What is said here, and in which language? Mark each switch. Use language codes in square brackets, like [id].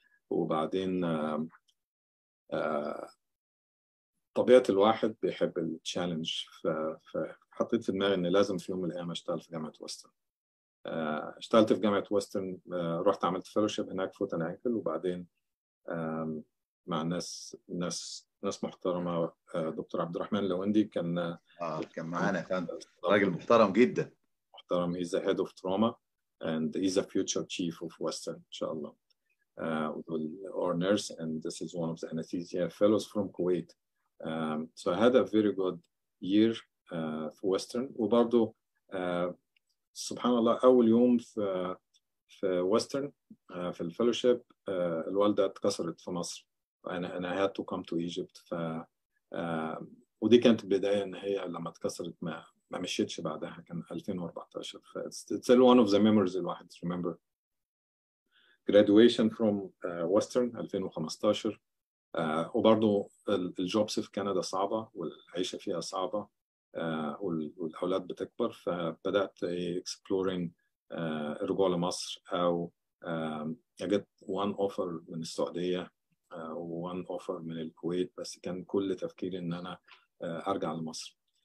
[ar] وبعدين طبيعة الواحد بيحب التشالنج، فحطيت في دماغي أني لازم في يوم من الأيام أشتغل في جامعة ويسترن. اشتغلت في جامعة ويسترن، رحت عملت فيلوشيب هناك فوت أند أنكل، وبعدين مع ناس محترمة. دكتور عبد الرحمن لوندي كان معنا، كان راجل محترم جدا، محترم. [en] he's a head of trauma and he's a future chief of Western [ar] إن شاء الله. [en] Our nurse and this is one of the anesthesia fellows from Kuwait. So I had a very good year for Western. [ar] وبرضو سبحان الله أول يوم في Western في الفيلوشيب الوالدة اتكسرت في مصر، أنا [en] I had to come to Egypt. [ar] ودي كانت بداية إن هي لما اتكسرت ما مشيتش بعدها، كان 2014. [en] It's one of the memories [ar] الواحد [en] remember. Graduation from Western 2015. [ar] وبرضو الجوبس في كندا صعبة والعيشة فيها صعبة، والأولاد بتكبر، فبدأت exploring رجوع لمصر. أو [en] I get one offer [ar] من السعودية، وان اوفر من الكويت، بس كان كل تفكيري ان انا ارجع لمصر.